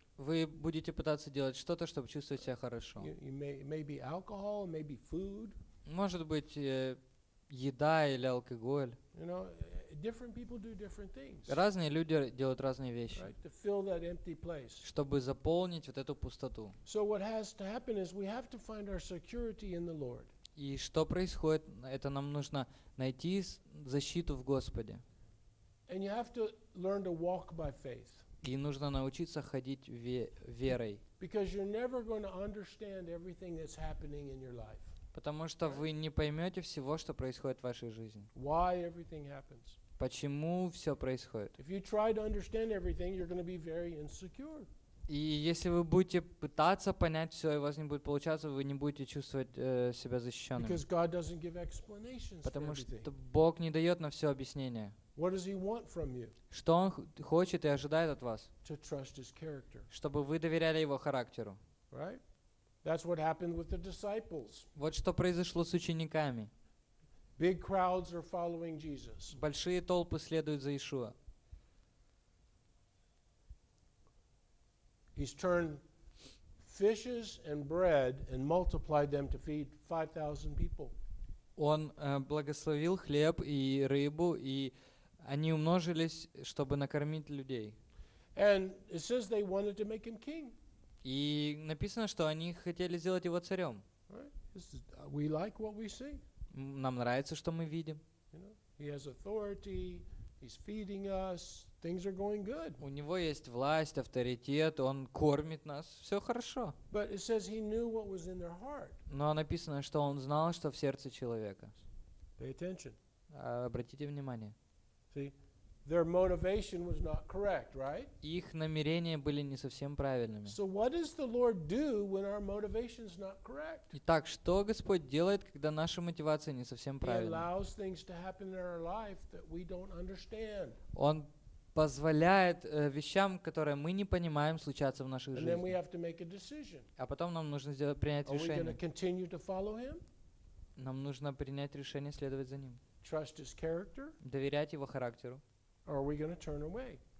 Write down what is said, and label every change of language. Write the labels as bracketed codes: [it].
[ru] Вы будете пытаться делать что-то, чтобы чувствовать себя хорошо. [en] Maybe alcohol, maybe food. [ru] Может быть, еда или алкоголь. [en] You know, different people do different things. [ru] Разные люди делают разные вещи. [en] Right, to fill that empty place. [ru] Чтобы заполнить вот эту пустоту. [en] So what has to happen is we have to find our security in the Lord. [ru] И что происходит? Это нам нужно найти защиту в Господе. [en] And you have to learn to walk by faith. [ru] И нужно научиться ходить верой. [en] Because you're never going to understand everything that's happening in your life. [ru] Потому что вы не поймете всего, что происходит в вашей жизни. [en] Why everything happens. [ru] Почему все происходит. [en] If you try to understand everything, you're going to be very insecure. [ru] И если вы будете пытаться понять все, и у вас не будет получаться, вы не будете чувствовать себя защищенным. [en] Because God doesn't give explanations for everything. [ru] Потому что Бог не дает на все объяснение. [en] What does he want from you? [ru] Что он хочет и ожидает от вас? [en] To trust his character. [ru] Чтобы вы доверяли его характеру. [en] Right? That's what happened with the disciples. [ru] Вот что произошло с учениками. [en] Big crowds are following Jesus. [ru] Большие толпы следуют за Иешуа. [en] He's turned fishes and bread and multiplied them to feed 5,000 people. [ru] Он благословил хлеб и рыбу, и они умножились, чтобы накормить людей. [en] And it says they wanted to make him king. [ru] И написано, что они хотели сделать его царем. [en] We like what we see. [ru] Нам нравится, что мы видим. [en] You know, he has authority. He's feeding us. Things are going good. [ru] У него есть власть, авторитет, он кормит нас, все хорошо. [en] But it says he knew what was in their heart. [ru] Но написано, что он знал, что в сердце человека. [en] Pay attention. [ru] Обратите внимание. [en] See, their motivation was not correct, right? [ru] Их намерения были не совсем правильными. [en] So what does the Lord do when our motivation is not correct? [ru] Итак, что Господь делает, когда наша мотивация не совсем правильная? [en] He allows things to happen in our life that we don't understand. [ru] Он позволяет вещам, которые мы не понимаем, случаться в наших жизнях. А потом нам нужно принять решение. [en] Are we going to continue to follow him? [ru] Нам нужно принять решение следовать за ним. [en] Trust his character? [ru] Доверять его характеру. [en] Or are we going to turn away?